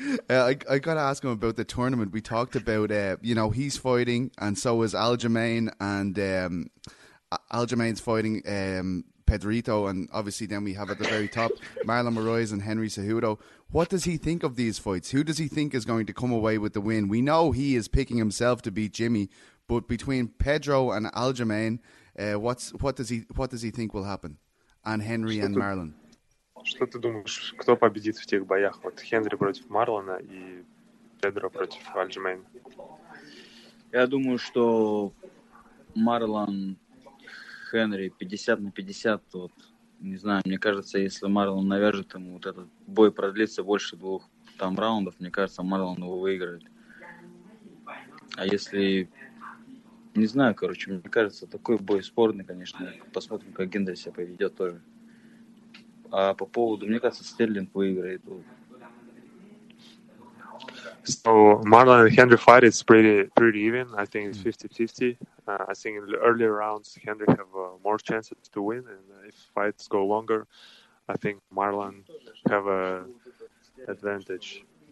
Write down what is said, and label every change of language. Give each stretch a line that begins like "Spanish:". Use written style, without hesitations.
English: I got to ask him about the tournament. We talked about, he's fighting, and so is Aljamain, and Aljamain's fighting Pedrito, and obviously then we have at the very top Marlon Moraes and Henry Cejudo. What does he think of these fights? Who does he think is going to come away with the win? We know he is picking himself to beat Jimmy, but between Pedro and Aljamain, what does he think will happen? And Henry and Marlon.
Russian: Что ты думаешь, кто победит в тех боях? Вот Хенри против Марлона и Педро против Альджамейн. Я думаю, что Марлон Хенри 50 на 50. Вот, не знаю, мне кажется, если Марлон навяжет ему, вот этот бой продлится больше двух там раундов, мне кажется, Марлон его выиграет. А если... Не знаю, короче, мне кажется, такой бой спорный, конечно. Посмотрим, как Генри себя поведет тоже. А по поводу, мне кажется, Стерлинг выиграет.
English: So Marlon and Henry fight is pretty even. I think it's 50-50. I think in the earlier rounds Henry have more chances to win, and if fights go longer, I think Marlon have a advantage.